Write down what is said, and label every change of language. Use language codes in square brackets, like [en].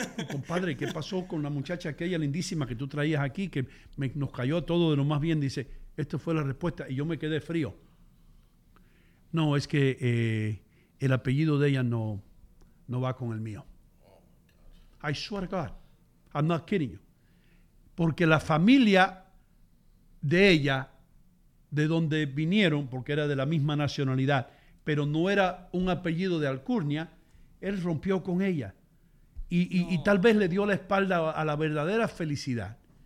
[es] Compadre, ¿qué pasó con la muchacha aquella lindísima que tú traías aquí, que nos cayó todo de lo más bien? Dice, esta fue la respuesta. Y yo me quedé frío. No, es que el apellido de ella no va con el mío. [en] I swear to God, I'm not kidding you. [es] Porque la familia de ella, de donde vinieron, porque era de la misma nacionalidad, pero no era un apellido de alcurnia, él rompió con ella. Y tal vez le dio la espalda a la verdadera felicidad.